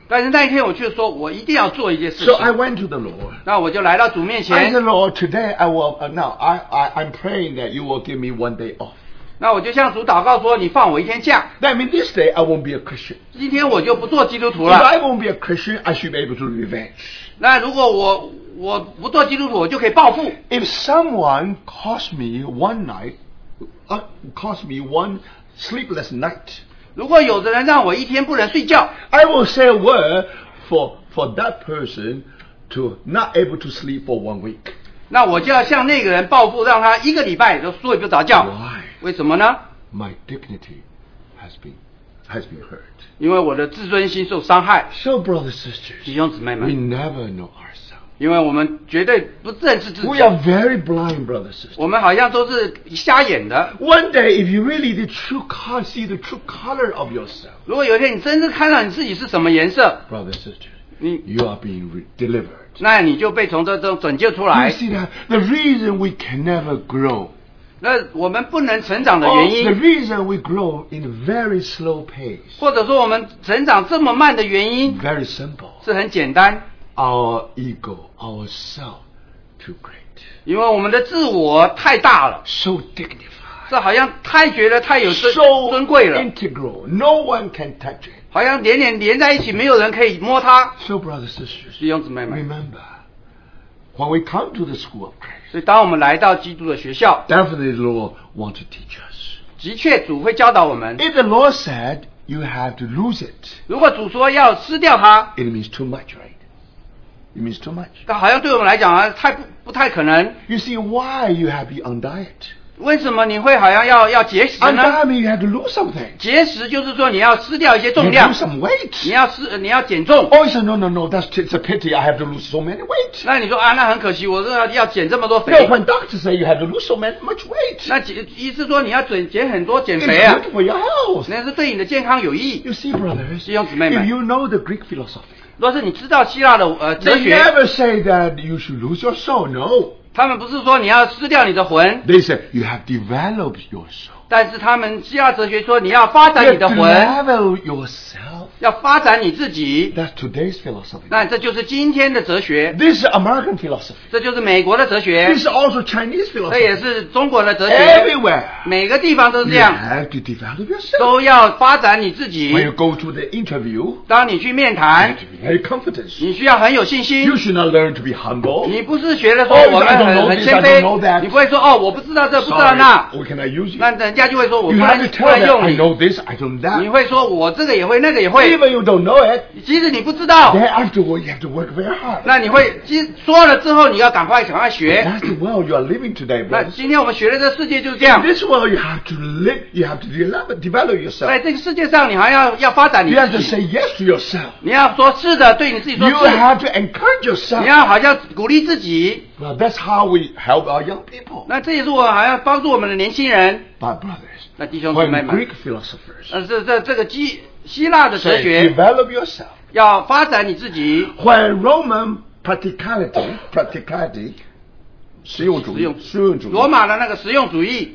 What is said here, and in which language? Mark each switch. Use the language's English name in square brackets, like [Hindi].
[Chinese] 但是那一天我却说我一定要做一件事情。 [English] So I went to the Lord. [Chinese] 那我就来到主面前。 [English] I said, Lord, today I will, now I'm praying that you will give me one day off. [Chinese] 那我就向主祷告说你放我一天假。 [English] That means this day I won't be a Christian. [Chinese] 今天我就不做基督徒了。 [English] If I won't be a Christian, I should be able to revenge. [Chinese] 那如果我不做基督徒我就可以报复。 [English] If someone cost me one night, cost me one sleepless night, [Chinese] 如果有的人让我一天不能睡觉 [English] I will say a word for that person to not able to sleep for one week [Chinese] 那我就要向那个人报复让他一个礼拜都睡不着觉 [English] Why? [Chinese] 为什么呢 [English] My dignity has been hurt [Chinese] 因为我的自尊心受伤害 [English] So brothers and sisters [Chinese] 弟兄姊妹们 [English] We never know ourselves [Chinese] 因为我们绝对不认识自己 [English] We are very blind brothers and sisters [Chinese] 我们好像都是瞎眼的 [English] One day if you really the true color see the true color of yourself [Chinese] 如果有一天你真的看到你自己是什么颜色 [English] Brothers and sisters You are being delivered [Chinese] 那你就被从这中拯救出来 [English] You see that the reason we can never grow [Chinese] 那我们不能成长的原因 [English] The reason we grow in a very slow pace [Chinese] 或者说我们成长这么慢的原因 [English] Very simple [Chinese] 是很简单 [English] Our ego, ourself too great [Chinese] 因为我们的自我太大了 [English] So dignified [Chinese] 这好像太觉得太有尊贵了 [English] So integral, no one can touch it [Chinese] 好像连在一起没有人可以摸它 [English] So brothers and sisters [Chinese] 弟兄姊妹们 [English] Remember, when we come to the school of Christ [Chinese] 所以当我们来到基督的学校 [English] Definitely the Lord wants to teach us [Chinese] 的确主会教导我们 [English] If the Lord said you have to lose it [Chinese] 如果主说要失掉它 [English] It means too much, right? It means too much [Chinese] 但好像对我们来讲不太可能 [English] You see why you have to be on diet? [Chinese] 为什么你会好像要节食呢 [English] ？And that means you have to lose something. [Chinese] 节食就是说你要失掉一些重量。 [English] You lose some weight. [Chinese] 你要减重。 [English] Oh, he said, no, that's a pity. I have to lose so many weight. [Chinese] 那你说啊，那很可惜，我是要减这么多肥。 [English] No, when doctors say you have to lose so much weight. [Chinese] 那意思说你要减很多减肥啊。 [English] It's good for your health. [Chinese] 那是对你的健康有益。 [English] You see, brothers, [Chinese] 弟兄姊妹们 [English] if you know the Greek philosophy, [Chinese] 若是你知道希腊的哲学 [English] ，They never say that you should lose your soul. No. [Chinese] 他们不是说你要失掉你的魂 [English] They said you have developed your soul [Chinese] 但是他们希腊哲学说你要发展你的魂 [English] level yourself, [Chinese] 要发展你自己 [English] That's today's philosophy. [Chinese] 那这就是今天的哲学 [English] This is American philosophy. [Chinese] 这就是美国的哲学 [English] This is also Chinese philosophy. [Chinese] 这也是中国的哲学 [English] Everywhere. [Chinese] 每个地方都是这样 [English] You have to develop yourself. [Chinese] 都要发展你自己 [English] When you go to the interview, [Chinese] 当你去面谈 [English] You have to be very confident. [Chinese] 你需要很有信心 [English] You should not learn to be humble. [Chinese] 你不是学了说我们很谦卑 你不会说哦我不知道这不知道那 [English] Sorry, what can I use you? [Chinese] 那人家就会说我不能用你 [English] I know this, I know that. [Chinese] 你会说我这个也会那个也会 [English] Even you don't know it, [Chinese] 即使你不知道 [English] Then afterward you have to work very hard. [Chinese] 那你会说了之后你要赶快想要学 [English] That's the world you are living today, bro. [Chinese] 那今天我们学的这世界就是这样 [English] In this world you have to live, you have to develop yourself. [Chinese] 在这个世界上你还要发展你自己 [English] You have to say yes to yourself. [Chinese] 你要说是的对你自己说是 [English] You have to encourage yourself. [Chinese] 你要好像鼓励自己 [English] Well, that's how we help our young people. [Chinese] 那这也是我好像帮助我们的年轻人。 [English] But brothers, [Chinese] 那弟兄姊妹们 [English] ，When Greek philosophers, [Chinese] 这个希腊的哲学 [English] ，develop yourself, [Chinese] 要发展你自己。 [English] When Roman practicality, 实用主义， [Chinese] 罗马的那个实用主义。